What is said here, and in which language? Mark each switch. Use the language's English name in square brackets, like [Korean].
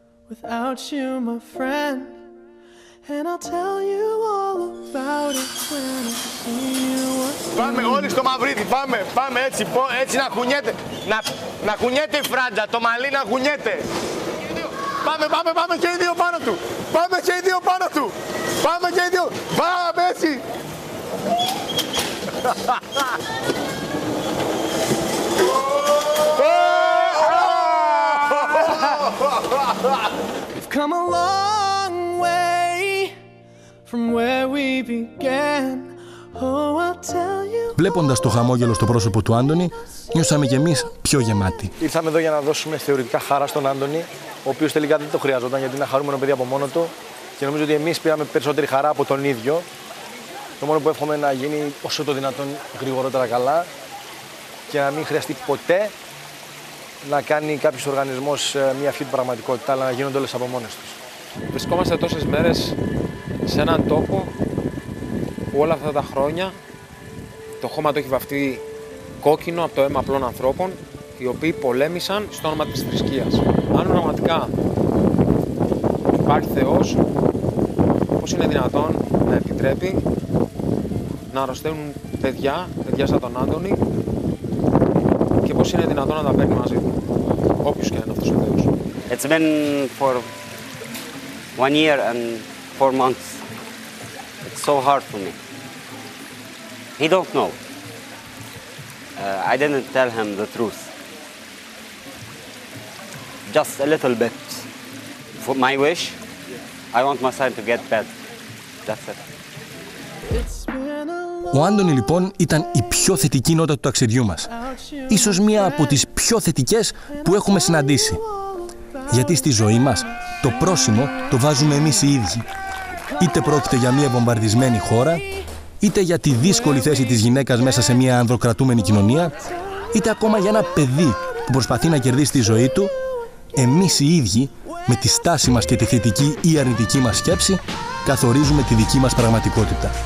[English] about you, my friend. And I'll tell you all about it when I see you again. [Greek] Πάμε όλοι στο Μαυρίδι, πάμε, πάμε έτσι, έτσι να κουνιέται. Να κουνιέται η φράτζα, το μαλλί να κουνιέται. Πάμε, πάμε, πάμε και οι δύο πάνω του. Πάμε και οι δύο πάνω του. Πάμε και οι δύο. Πάμε έτσι. [English] We've come a long way from where we began. Oh, I'll tell you. [Greek] Βλέποντας το χαμόγελο στο πρόσωπο του Άντωνη, νιώσαμε κι εμείς πιο γεμάτοι. Ήρθαμε εδώ για να δώσουμε θεωρητικά χαρά στον Άντωνη, ο οποίος τελικά δεν το χρειαζόταν γιατί είναι ένα χαρούμενο παιδί από μόνο του. Και νομίζω ότι εμείς πήραμε περισσότερη χαρά από τον ίδιο. Το μόνο που εύχομαι να γίνει όσο το δυνατόν γρηγορότερα καλά και να μην χρειαστεί ποτέ να κάνει κάποιος οργανισμός μια αυτή την πραγματικότητα, αλλά να γίνονται όλες από μόνες τους. Βρισκόμαστε τόσες μέρες σε έναν τόπο που όλα αυτά τα χρόνια το χώμα το έχει βαφτεί κόκκινο από το αίμα απλών ανθρώπων, οι οποίοι πολέμησαν στο όνομα της θρησκείας. Αν πραγματικά υπάρχει Θεός, πώς είναι δυνατόν να επιτρέπει να αρρωσταίνουν παιδιά, παιδιά σαν τον Άντωνη, και πώς είναι δυνατόν να τα παίρνει μαζί του, όποιος και είναι αυτός ο Θεός. [English] It's been for one year and four months. It's so hard for me. He don't know. I didn't tell him the truth. Just a little bit. For my wish, I want my son to get better. That's it. [Greek] Ο Άντωνη λοιπόν ήταν η πιο θετική νότα του ταξιδιού μας. Ίσως μία από τις πιο θετικές που έχουμε συναντήσει. Γιατί στη ζωή μας το πρόσημο το βάζουμε εμείς οι ίδιοι. Είτε πρόκειται για μία βομβαρδισμένη χώρα, είτε για τη δύσκολη θέση της γυναίκας μέσα σε μία ανδροκρατούμενη κοινωνία, είτε ακόμα για ένα παιδί που προσπαθεί να κερδίσει τη ζωή του, εμείς οι ίδιοι, με τη στάση μας και τη θετική ή αρνητική μας σκέψη, καθορίζουμε τη δική μας πραγματικότητα.